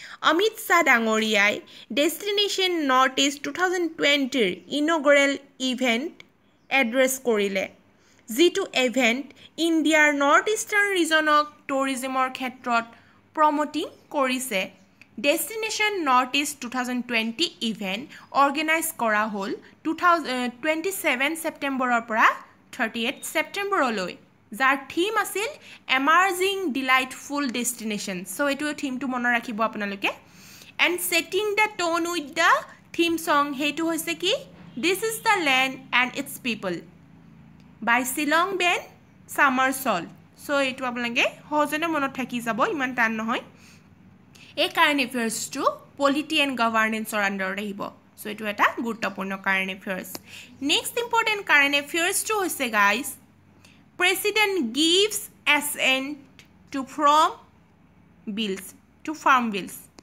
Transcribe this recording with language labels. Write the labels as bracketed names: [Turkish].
[Assamese] অমিত শ্বাহ ডাঙৰীয়াই destination north east 2020ৰ ইনগ্ৰেল event address কৰিলে, যিটো ইভেণ্ট ইণ্ডিয়াৰ নৰ্থ ইষ্টাৰ্ণ ৰিজনক টুৰিজিমৰ ক্ষেত্ৰত প্ৰমটিং কৰিছে। Destination north east 2020 event organise কৰা হ'ল 27 ছেপ্টেম্বৰৰ পৰা 38 ছেপ্টেম্বৰলৈ। যার থিম আছিল এমাৰ্জিং ডিলাইটফুল ডেষ্টিনেশ্যন। চ' এইটো থিমটো মনত ৰাখিব আপোনালোকে। [English] and setting the tone with the theme song, [Assamese] সেইটো হৈছে কি, [English] This is the land and its people by শ্বিলং বেন ছামাৰ ছল। [Assamese] চ' এইটো আপোনালোকে সহজতে মনত থাকি যাব, ইমান টান নহয়। এই কাৰেণ্ট এফেয়াৰ্ছটো পলিটি এণ্ড গভাৰ্নেঞ্চৰ আণ্ডাৰত আহিব। চ' এইটো এটা গুৰুত্বপূৰ্ণ current affairs. Next important current এফেয়াৰ্ছটো হৈছে guys, [English] President gives assent to farm bills, to farm bills.